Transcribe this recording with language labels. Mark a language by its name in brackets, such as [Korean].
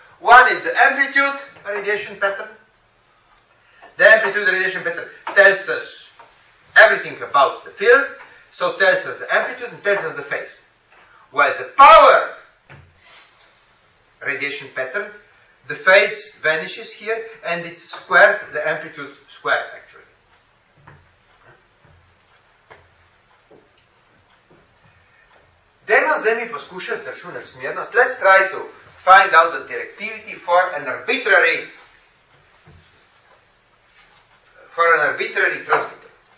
[English] One is the amplitude radiation pattern. The amplitude radiation pattern tells us everything about the field, so tells us the amplitude and tells us the phase. Well, the power radiation pattern, the phase vanishes here, and it's squared, the amplitude squared, actually. [Slovenian] Dajmo zdaj mi poskušati zračunati smernost. [English] Let's try to find out the directivity for an arbitrary transmitter.